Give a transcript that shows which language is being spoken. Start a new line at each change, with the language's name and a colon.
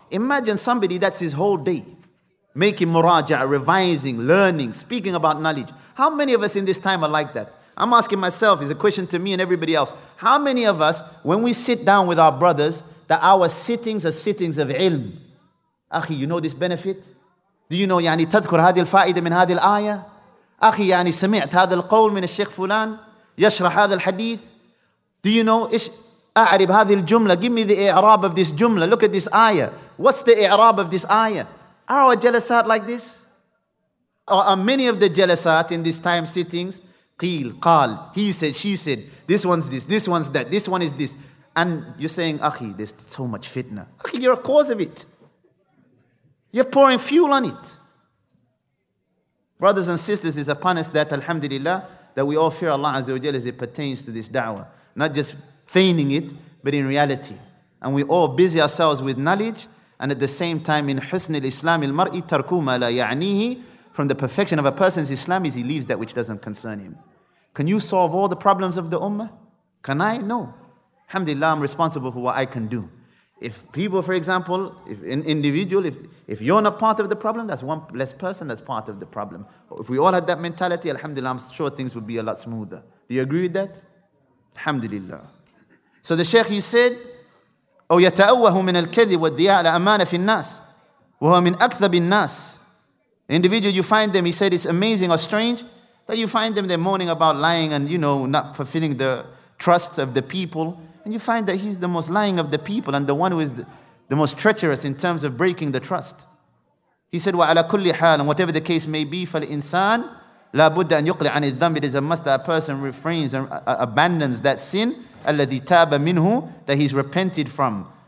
English: Imagine somebody that's his whole day making muraja'ah, revising, learning, speaking about knowledge. How many of us in this time are like that? I'm asking myself, it's a question to me and everybody else. How many of us, when we sit down with our brothers, that our sittings are sittings of ilm? Akhi, you know this benefit? Do you know,
Arabic: يعني تذكر هذه الفائدة من هذه الآية? أخي يعني سمعت هذا القول من الشيخ فلان يشرح هذا الحديث?
English: Do you know,
Arabic: إيش أعرب هذه الجملة?
English: Give me the إعراب of this جملة. Look at this آية. What's the إعراب of this آية? Are our جلسات like this? Or are many of the جلسات in this time sittings?
Arabic: قيل, قال,
English: he said, she said, this one's this, this one's that, this one is this. And you're saying, أخي, there's so much fitna. أخي, you're a cause of it. You're pouring fuel on it. Brothers and sisters, it's upon us that, alhamdulillah, that we all fear Allah Azza wa Jalla as it pertains to this da'wah. Not just feigning it, but in reality. And we all busy ourselves with knowledge, and at the same time,
Arabic: in husn al-Islam al-mar'i tarku ma la ya'nihi,
English: from the perfection of a person's Islam is he leaves that which doesn't concern him. Can you solve all the problems of the ummah? Can I? No. Alhamdulillah, I'm responsible for what I can do. If people, for example, if an individual, if you're not part of the problem, that's one less person that's part of the problem. If we all had that mentality, alhamdulillah, I'm sure things would be a lot smoother. Do you agree with that? Alhamdulillah. So the Shaykh, he said,
Arabic: أو يتأوه من الكذب والدياء على أمانة في الناس وهو من أكذب الناس.
English: The individual, you find them, he said, it's amazing or strange that you find them, they're moaning about lying and, you know, not fulfilling the trust of the people. And you find that he's the most lying of the people and the one who is the most treacherous in terms of breaking the trust. He said,
Arabic: وَعَلَى كُلِّ حَالٍ,
English: and whatever the case may be,
Arabic: فَالْإِنسَانِ لَا بُدَّ أَنْ يُقْلِ عَنِ الذَّنْبِ,
English: it is a must that a person refrains and abandons that sin,
Arabic: الَّذِي تَابَ مِنْهُ,
English: that he's repented from.